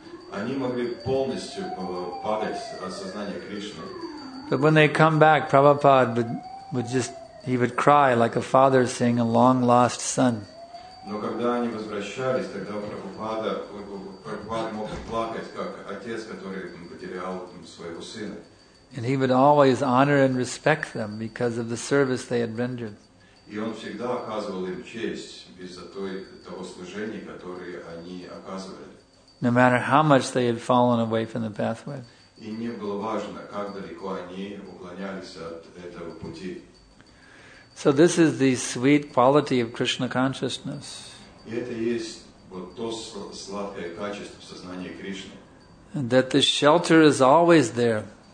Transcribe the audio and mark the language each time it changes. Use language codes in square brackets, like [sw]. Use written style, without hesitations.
[en] But when they come back, Prabhupada would just He would cry like a father seeing a long lost son. [ru] Но когда они возвращались, тогда Прабхупада мог плакать, как отец, который потерял своего сына. [en] And he would always honor and respect them because of the service they had rendered. [ru] И он всегда оказывал им честь из-за того служения, которое они оказывали. [en] No matter how much they had fallen away from the pathway. [ru] И не было важно, как далеко они уклонялись от этого пути. [en] So this is the sweet quality of Krishna consciousness. That the shelter is always there.